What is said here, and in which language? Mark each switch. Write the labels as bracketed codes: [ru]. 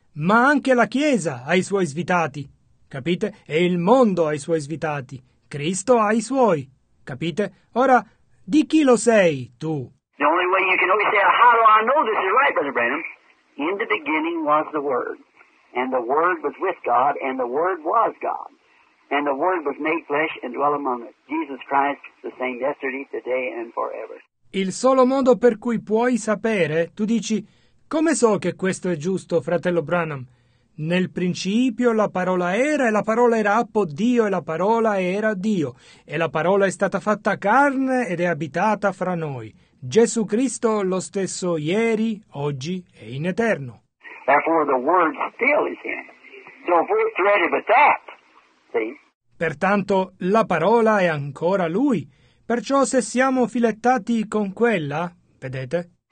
[it] Ma anche la Chiesa ha i suoi svitati, capite? E il mondo ha i suoi svitati. Cristo ha i suoi, capite? Ora, di chi lo sei tu? [en] The only way you can always say, how do I know this is right, Brother Branham? In the beginning was the Word, and the Word was with God, and the Word was God. And the Word was made flesh and dwelt among us. Jesus Christ, the same yesterday, today and forever. [it] Il solo modo per cui puoi sapere, tu dici, come so che questo è giusto, fratello Branham? Nel principio la parola era e la parola era appo Dio e la parola era Dio. E la parola è stata fatta carne ed è abitata fra noi. Gesù Cristo lo stesso ieri, oggi e in eterno. [en] Therefore the word still is in. So if we're threaded with that, see? [it] Pertanto la parola è ancora lui. Perciò se siamo filettati con quella, vedete?